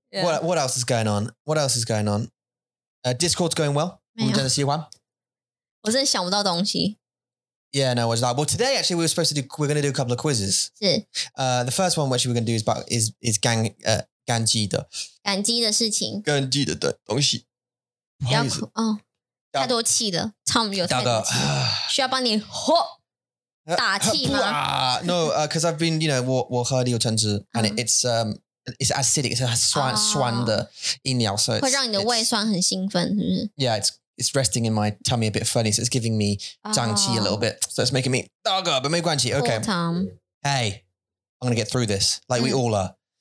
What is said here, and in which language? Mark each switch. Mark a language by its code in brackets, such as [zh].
[en] yeah. What else is going on? What else is going on? Discord's going well? [zh] 我们真的喜欢? 我真的想不到东西。 [en] Yeah, no, what's that? Well, today actually we were supposed to do, we're going to do a couple of quizzes. [zh] 是。 [en] The first one which we're going to do is [zh] 感激的。感激的事情。感激的东西。不好意思。哦。太多气了，Tom有太多气，需要帮你呼打气吗？ [en] No, because I've been, you know, [zh] 我喝了有橙汁， [en] and it's acidic, it's [zh] 酸酸的饮料，所以会让你的胃酸很兴奋，是不是？ [en] Yeah, it's resting in my tummy a bit funny, so it's giving me [zh] 胀气 [en] a little bit, so it's making me [zh] 打嗝， [en] but [zh] 没关系 [en] ，OK. Tom, hey, I'm gonna get through this, like we all are.